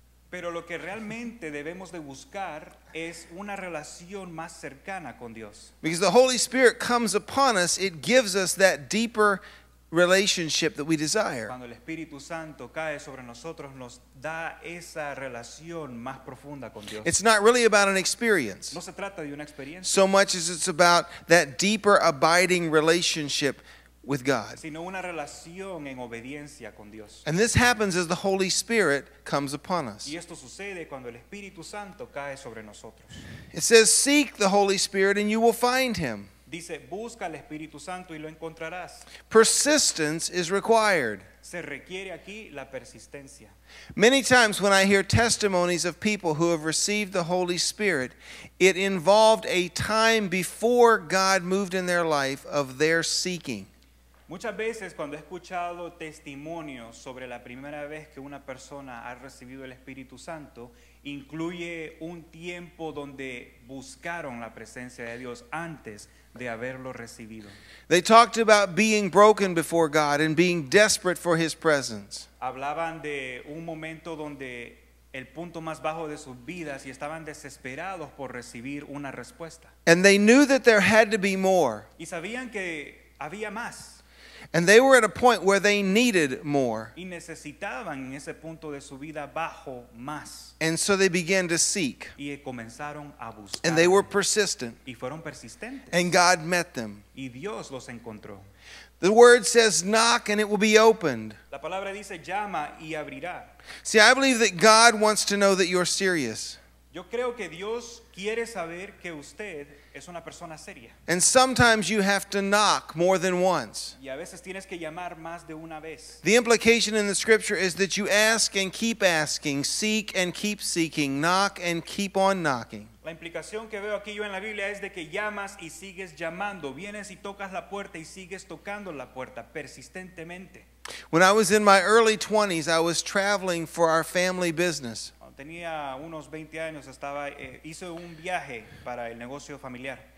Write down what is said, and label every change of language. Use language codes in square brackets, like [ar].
[es] Pero lo que realmente debemos de buscar es una relación más cercana con Dios. [en] Because the Holy Spirit comes upon us, it gives us that deeper relationship that we desire. [es] Cuando el Espíritu Santo cae sobre nosotros, nos da esa relación más profunda con Dios. [en] It's not really about an experience. [es] No se trata de una experiencia. [en] So much as it's about that deeper abiding relationship with God. [es] Sino una relación en obediencia con Dios. [en] And this happens as the Holy Spirit comes upon us. [es] Y esto sucede cuando el Espíritu Santo cae sobre nosotros. [en] It says, seek the Holy Spirit and you will find him. [es] Dice, busca al Espíritu Santo y lo encontrarás. [en] Persistence is required. [es] Se requiere aquí la persistencia. [en] Many times when I hear testimonies of people who have received the Holy Spirit, it involved a time before God moved in their life of their seeking. [es] Muchas veces cuando he escuchado testimonios sobre la primera vez que una persona ha recibido el Espíritu Santo, incluye un tiempo donde buscaron la presencia de Dios antes de haberlo recibido. [en] They talked about being broken before God and being desperate for his presence. [es] Hablaban de un momento donde el punto más bajo de sus vidas y estaban desesperados por recibir una respuesta. [en] And they knew that there had to be more. [es] Y sabían que había más. [en] And they were at a point where they needed more. [es] Y necesitaban en ese punto de su vida bajo más. [en] And so they began to seek. [es] Y comenzaron a buscar. [en] And they were persistent. [es] Y fueron persistentes. [en] And God met them. [es] Y Dios los encontró. [en] The word says, knock and it will be opened. [es] La palabra dice, llama y abrirá. [en] See, I believe that God wants to know that you're serious. [es] Yo creo que Dios quiere saber que usted es una persona seria. [en] And sometimes you have to knock more than once. [es] Y a veces tienes que llamar más de una vez. [en] The implication in the scripture is that you ask and keep asking, seek and keep seeking, knock and keep on knocking. [es] La implicación que veo aquí yo en la Biblia es de que llamas y sigues llamando, vienes y tocas la puerta y sigues tocando la puerta persistentemente. [en] When I was in my early 20s, I was traveling for our family business. [es] Tenía unos 20 años, estaba, hizo un viaje para el negocio familiar.